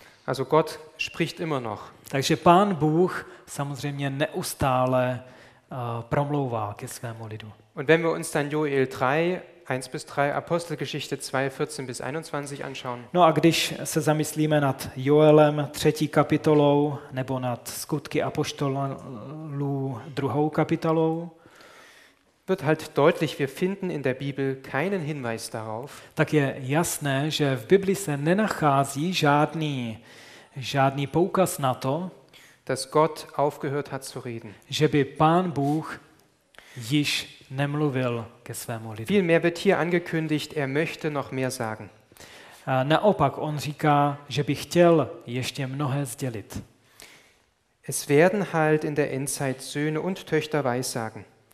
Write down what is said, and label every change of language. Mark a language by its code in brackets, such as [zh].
[de] Also Gott spricht immer noch. [cs] Takže Pán Bůh samozřejmě neustále promlouvá ke svému lidu. [de] Und wenn wir uns dann Joel 3 1 bis 3, Apostelgeschichte 2, 14 bis 21 anschauen. [cs] No a když se zamyslíme nad Joelem 3. kapitolou nebo nad Skutky apoštolů 2. kapitolou, [de] wird halt deutlich, wir finden in der Bibel keinen Hinweis darauf. [cs] Tak je jasné, že v Bibli se nenachází žádný poukaz na to, [de] dass Gott aufgehört hat zu reden. [cs] Že by Pán Bůh již nemluvil ke svému lidu. [de] Vielmehr wird hier angekündigt, er möchte noch mehr sagen. [cs] Naopak on říká, že by chtěl ještě mnohé sdělit. [de] Es werden halt in der Endzeit Söhne und Töchter weissagen.